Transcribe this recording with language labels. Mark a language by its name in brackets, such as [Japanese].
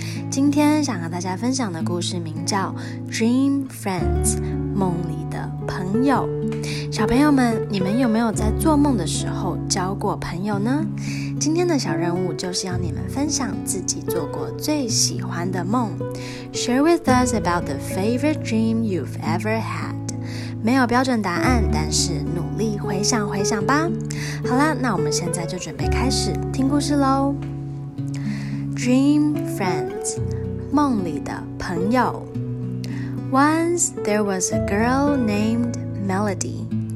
[Chinese] 今天想和大家分享的故事名叫《Dream Friends》，梦里的朋友。小朋友们，你们有没有在做梦的时候交过朋友呢？今天的小任务就是要你们分享自己做过最喜欢的梦。 [English] Share with us about the favorite dream you've ever had. [Chinese] 没有标准答案，但是努力回想回想吧。好啦，那我们现在就准备开始听故事咯。 Dream Friends， 梦里的朋友。 [English] Once there was a girl named Melody.